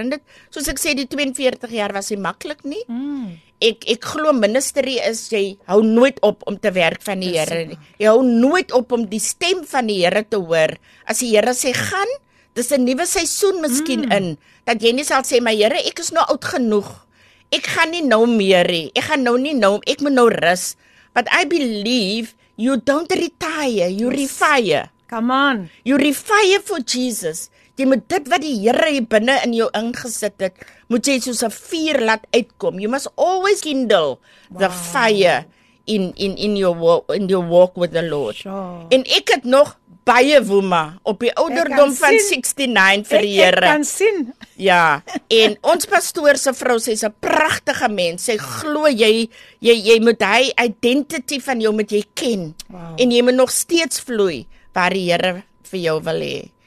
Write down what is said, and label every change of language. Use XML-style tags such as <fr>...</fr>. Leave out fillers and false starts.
<af>En dit, soos ek sê, die 42 jaar was nie maklik nie. Ek glo ministerie is, jy hou nooit op om te werk van die Here nie. Jy hou nooit op om die stem van die Here te hoor. As die Here sê, gaan, dis 'n nuwe seisoen miskien in, dat jy nie sal sê, my Here, ek is nou oud genoeg. Ek gaan nie nou meer nie. Ek gaan nou nie nou, ek moet nou rus.</af> <en>But I believe, you don't retire, you refire. Come on. You refire for Jesus.</en> <af>Jy moet dit wat die Here hier binne in jou ingesit het, moet jy soos 'n vuur laat uitkom.</af> <en>You must always kindle the fire in your walk with the Lord. Sure.</en> <af>En ek het nog baie woema op die ouderdom van 69 vir die Here. Ek kan sien. Ja, en ons pastoor se vrou, sy's 'n pragtige mens. Sy glo jy moet hy identity van jou moet jy ken. Wow. En jy moet nog steeds vloei waar die Here vir jou wil hê.</af>